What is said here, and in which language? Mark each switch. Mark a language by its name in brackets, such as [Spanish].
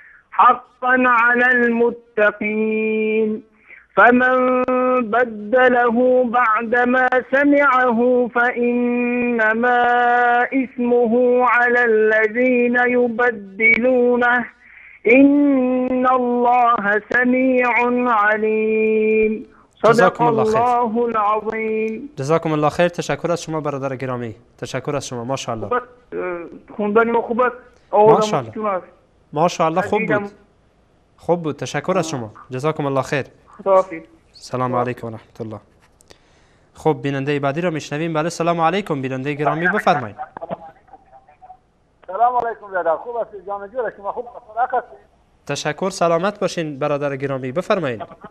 [Arabic] حقا على المتقين فمن بدله بعدما سمعه فإنما إثمه على الذين يبدلونه إن الله سميع عليم. صدق الله العظيم. جزاكم الله خير. [Persian] تشكر از شما برادر گرامی، تشكر از شما. ما شاء الله خوندنی ما خوب است. ما شاء الله ما شاء الله خوب بود، خوب بود. تشكر از شما، جزاكم الله خير. سلام علیکم و رحمت الله. خوب بیننده بعدی را میشنویم. بله سلام علیکم بیننده گرامی، بفرمایید. سلام علیکم برادر، خوب هستی؟ جان جوره شما خوب هستی؟ تشکر، سلامت باشین برادر گرامی، بفرمایید.